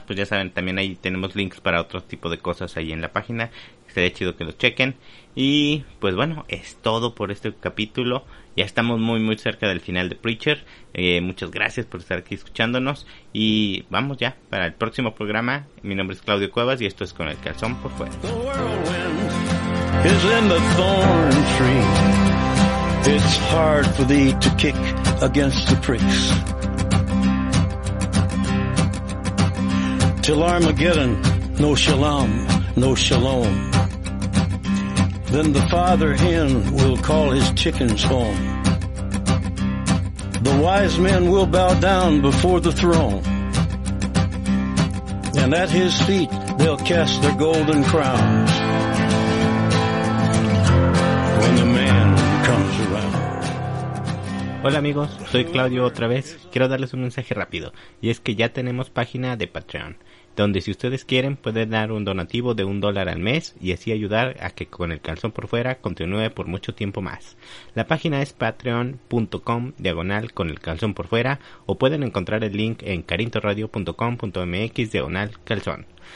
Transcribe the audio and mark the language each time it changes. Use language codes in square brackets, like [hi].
[es] Pues ya saben, también ahí tenemos links para otro tipo de cosas ahí en la página. Sería chido que los chequen. Y pues bueno, es todo por este capítulo. Ya estamos muy muy cerca del final de Preacher. Muchas gracias por estar aquí escuchándonos. Y vamos ya para el próximo programa. Mi nombre es Claudio Cuevas y esto es Con el Calzón por Fuera. [en] The whirlwind is in the thorn tree. It's hard for thee to kick against the pricks. Till Armageddon, no shalom, no shalom. Then the father hen will call his chickens home. The wise men will bow down before the throne. And at his feet they'll cast their golden crowns. When the man comes around. [es] Hola amigos, soy Claudio otra vez. Quiero darles un mensaje rápido. Y es que ya tenemos página de Patreon, donde si ustedes quieren pueden dar un donativo de $1 al mes y así ayudar a que Con el Calzón por Fuera continúe por mucho tiempo más. La página es patreon.com/conelcalzonporfuera o pueden encontrar el link en carintoradio.com.mx/calzón.